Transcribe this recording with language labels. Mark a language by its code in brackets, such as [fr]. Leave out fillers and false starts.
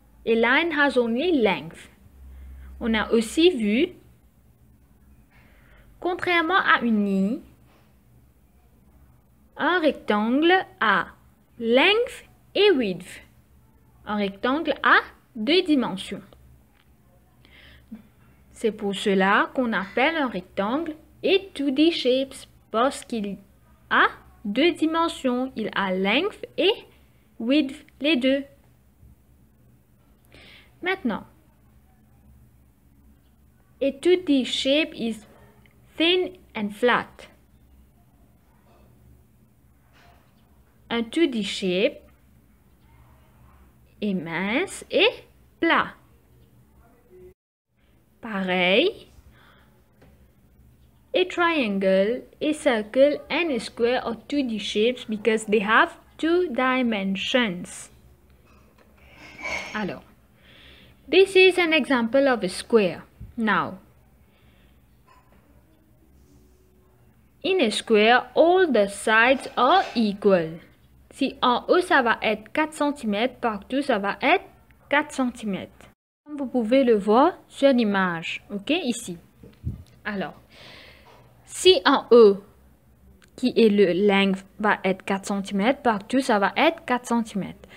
[en] A line has only length. [fr] On a aussi vu, contrairement à une ligne, un rectangle a length et width. Un rectangle a deux dimensions. C'est pour cela qu'on appelle un rectangle [en] a 2D shapes, [fr] parce qu'il a deux dimensions. Il a length et width, les deux. [en] Maintenant, a 2D shape is thin and flat. [fr] Un 2D shape est mince et plat. [en] Pareil, a triangle, a circle and a square are 2D shapes because they have two dimensions. Alors, this is an example of a square. Now, in a square, all the sides are equal. [fr] Si en haut ça va être 4 cm, partout ça va être 4 cm. Comme vous pouvez le voir sur l'image, ok, ici. Alors, si en haut, qui est le length, va être 4 cm, partout ça va être 4 cm.